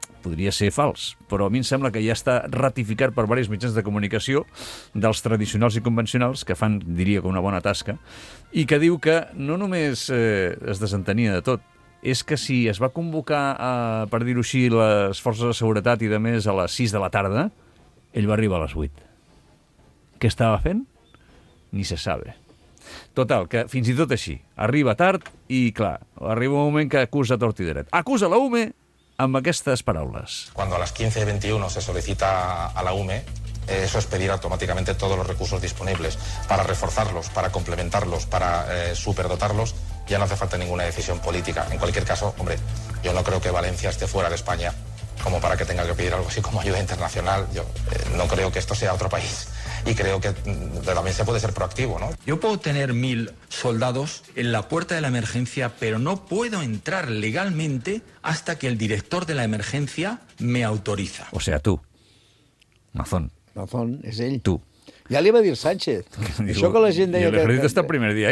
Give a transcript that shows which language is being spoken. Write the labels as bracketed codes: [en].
[ca] podria ser fals, però a mi em sembla que ja està ratificat per diversos mitjans de comunicació dels tradicionals i convencionals, que fan, diria, com una bona tasca, i que diu que no només es desentenia de tot, és que si es va convocar, per dir-ho així, les forces de seguretat i de més a les 6 de la tarda, ell va arribar a les 8. Què estava fent? [es] Ni se sabe. [ca] Total, que fins i tot així, arriba tard i, clar, arriba un moment que acusa tort i dret. Acusa la UME amb aquestes paraules. [es] Cuando a las 15:21 se solicita a la UME, eso es pedir automáticamente todos los recursos disponibles para reforzarlos, para complementarlos, para superdotarlos, ya no hace falta ninguna decisión política. En cualquier caso, hombre, yo no creo que Valencia esté fuera de España como para que tenga que pedir algo así como ayuda internacional. Yo no creo que esto sea otro país. Y creo que también se puede ser proactivo, ¿no? Yo puedo tener 1,000 soldados en la puerta de la emergencia, pero no puedo entrar legalmente hasta que el director de la emergencia me autoriza. O sea, tú. Mazón. Mazón, es él. Tú. [ca] Ja li va dir Sánchez. Diu, això que la gent deia... I l'Ejército està el primer dia.